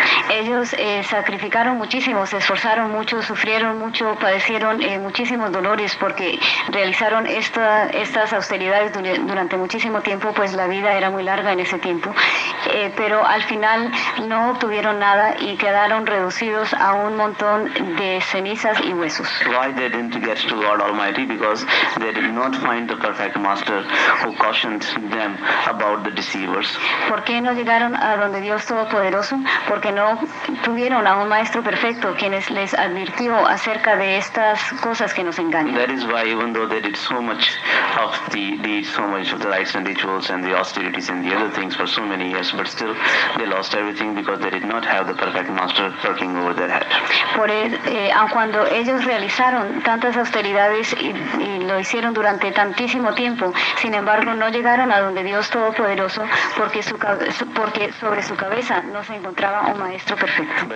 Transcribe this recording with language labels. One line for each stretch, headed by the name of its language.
Spanish: Ellos sacrificaron muchísimo, se esforzaron mucho, sufrieron mucho, padecieron muchísimos dolores porque realizaron estas austeridades durante muchísimo tiempo, pues la vida era muy larga en ese tiempo, pero al final no obtuvieron nada y quedaron reducidos a un montón de cenizas y huesos.
English: Why they didn't get to God Almighty? Because they did not find the perfect master who cautioned them about the deceiver. followers.
Spanish: ¿Por qué no llegaron a donde Dios Todopoderoso? Porque no tuvieron a un maestro perfecto quienes les advirtió acerca de estas cosas que nos engañan.
English: That is why even though they did so much of the rites and rituals and the austerities and the other things for so many years, but still they lost everything because they did not have the perfect master working over their head.
Spanish: Por aun cuando ellos realizaron tantas austeridades y lo hicieron durante tantísimo tiempo, sin embargo no llegaron a donde Dios Todopoderoso porque sobre su cabeza no se encontraba un maestro perfecto.